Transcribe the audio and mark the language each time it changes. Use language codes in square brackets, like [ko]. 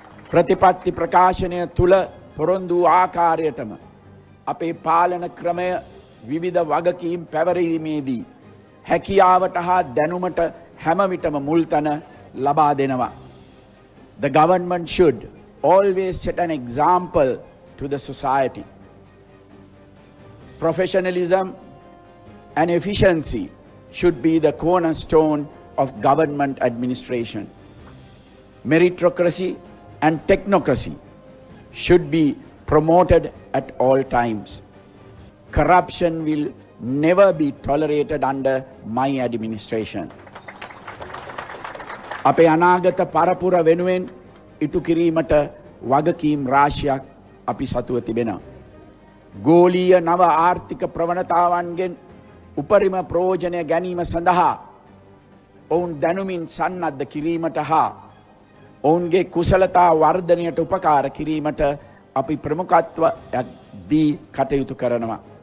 [si] ප්‍රතිපත්ති ප්‍රකාශනය තුළ පොරොන්දු ආකාරයටම අපේ පාලන ක්‍රමය විවිධ වගකීම් පැවරීමේදී හැකියාවට හා දැනුමට හැම විටම මුල්තැන ලබා දෙනවා. [en] The government should always set an example to the society. Professionalism and efficiency should be the cornerstone of government administration. Meritocracy and technocracy should be promoted at all times. Corruption will never be tolerated under my administration. [si] අපේ අනාගත පරපුර වෙනුවෙන් ඉටු කිරීමට වගකීම් රාශියක් අපි සතුව තිබෙනවා. ගෝලීය නව ආර්ථික ප්‍රවණතාවන්ගෙන් උපරිම ප්‍රයෝජනය ගැනීම සඳහා ඔවුන් දැනුමින් සන්නද්ධ කිරීමට හා ඔවුන්ගේ කුසලතා වර්ධනයට උපකාර කිරීමට අපි ප්‍රමුඛත්වයක් දී කටයුතු කරනවා.